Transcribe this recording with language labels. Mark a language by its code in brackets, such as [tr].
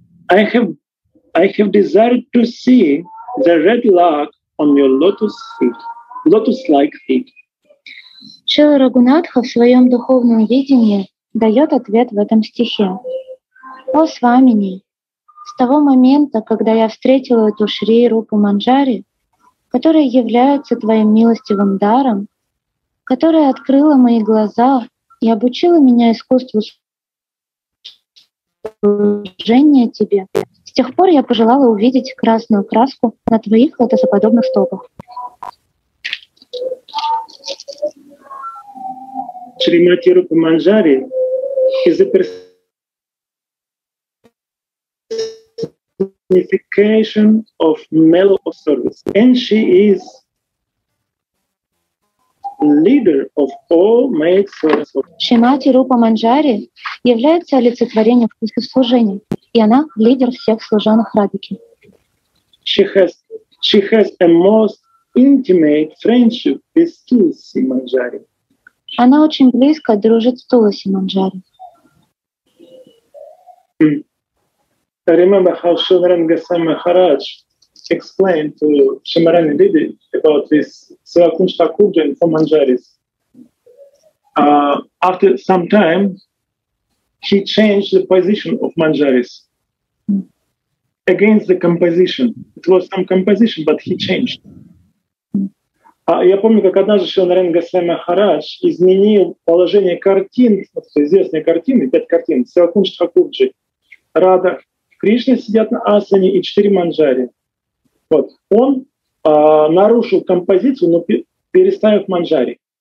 [en] I have desired to see the red lark on your lotus feet, lotus-like feet. [ru] Шрила Рагхунатха в своем духовном видении дает ответ в этом стихе. О Свамини, с того момента, когда я встретила эту Шри Рупу Манджари, которая является твоим милостивым даром, которая открыла мои глаза и обучила меня искусству служения тебе, с тех пор я пожелала увидеть красную краску на твоих лотосоподобных стопах. [en] Шримати Рупа Манджари is a personification of mellow of service, and she is leader of all maid service. [ru] Шримати Рупа Манджари является олицетворением вкуса служения, и она лидер всех служанок Радхики. [en] She has a most intimate friendship with Tulsi Manjari. [ru] Она очень близко дружит с Тулси Манджари. [en] remember how Shivaran Goswami Maharaj explained to Shimarani Didi about this Seva Kunsta Kujan for Manjaris. After some time, he changed the position of Manjaris against the composition. It was some composition, but he changed. [ru] Я помню, как однажды Шиванаранга Госвами Махарадж изменил положение картин, вот эти известные картины, пять картин, Севакунш Тхакурджи. Рада Кришна сидят на асане и четыре манджари. Вот. Он нарушил композицию, но переставив манджари.